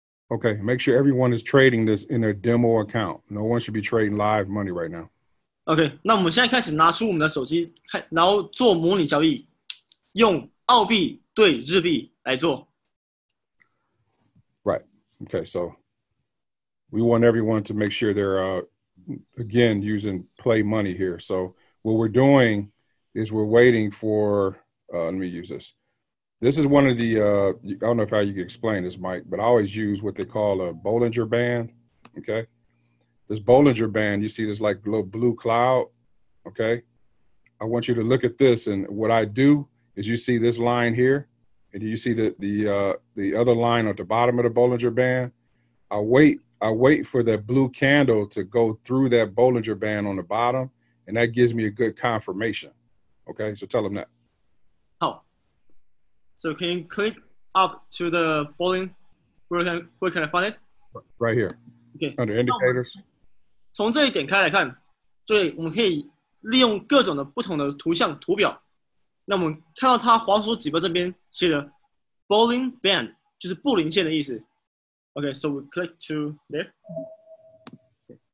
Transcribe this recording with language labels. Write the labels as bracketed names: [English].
[English] Okay, make sure everyone is trading this in their demo account. No one should be trading live money right now. [Chinese] Okay, 那我们现在开始拿出我们的手机，然后做模拟交易，用澳币对日币来做。 [English] Right, okay, so we want everyone to make sure they're, again, using play money here. So what we're doing is we're waiting for, let me use this. This is one of the, I don't know if how you can explain this, Mike, but I always use what they call a Bollinger Band, okay? This Bollinger Band, you see this like little blue cloud, okay? I want you to look at this, and what I do is you see this line here, and you see the other line at the bottom of the Bollinger Band. I wait for that blue candle to go through that Bollinger Band on the bottom, and that gives me a good confirmation, okay? So tell them that. So can you click up to the Bollinger Band? Where can I find it? Right here. Okay. Under indicators. [Chinese] 从这里点开来看，对，我们可以利用各种的不同的图像图表。那我们看到它黄鼠指标这边写的 Bollinger Band， 就是布林线的意思。 [English] Okay, so we click to there. Okay.